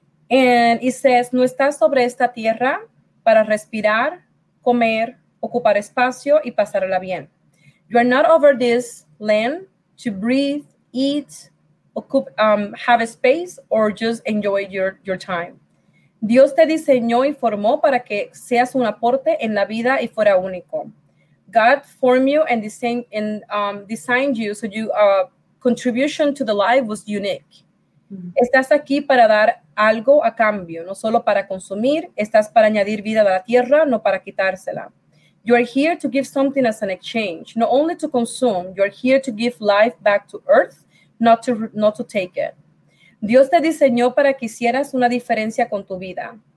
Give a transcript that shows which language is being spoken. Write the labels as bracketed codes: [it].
[en] And it says, [es] no estás sobre esta tierra para respirar, comer, ocupar espacio y pasarla bien. [en] You are not over this land to breathe, eat, have a space, or just enjoy your time. [es] Dios te diseñó y formó para que seas un aporte en la vida y fuera único. [en] God formed you and designed you so your contribution to the life was unique. [es] Estás aquí para dar algo a cambio, no solo para consumir. Estás para añadir vida a la tierra, no para quitársela. [en] You are here to give something as an exchange, not only to consume. You are here to give life back to earth, not to take it. [es] Dios te diseñó para que hicieras una diferencia con tu vida.